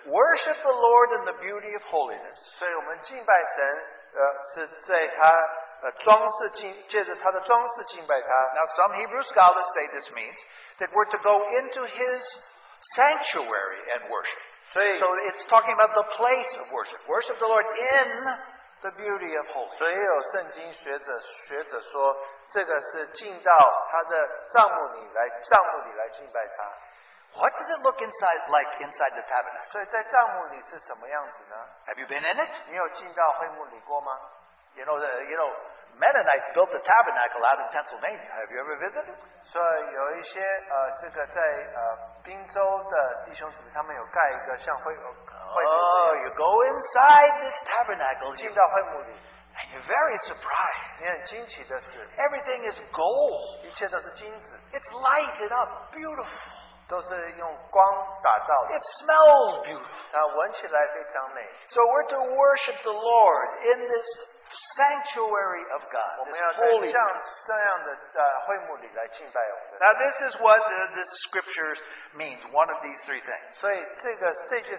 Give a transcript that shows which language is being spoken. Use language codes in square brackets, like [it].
[en] Worship the Lord in the beauty of holiness. [zh] 所以我们敬拜神, 是在他, 装饰敬, 借着他的装饰敬拜他。 [en] Now, some Hebrew scholars say this means that we're to go into his sanctuary and worship. [zh] 所以, [en] so, it's talking about the place of worship. Worship the Lord in the beauty of holiness. [zh] 所以有圣经学者说, 这个是进到他的帐幕里来敬拜他。 [en] What does it look inside like inside the tabernacle? [zh] 所以在帐幕里是什么样子呢? [en] Have you been in it? [zh] 你有进到会幕里过吗? [en] You know, Mennonites built the tabernacle out in Pennsylvania. Have you ever visited? [zh] 所以有一些, 这个在, 宾州的弟兄姊妹他们有盖一个像会, [en] Oh, you go inside this tabernacle. [zh] 进到会幕里。 [en] And you're very surprised. [zh] 你很惊奇的是, [en] everything is gold. [zh] 一切都是金子, [en] it's lighted up, beautiful. [zh] 都是用光打造的, [en] it smells beautiful. [zh] 闻起来非常美。 [en] So we're to worship the Lord in this sanctuary of God. [zh] 我们要在这样的会幕里来敬拜我们的神。 [en] Now this is what the scripture means, one of these three things.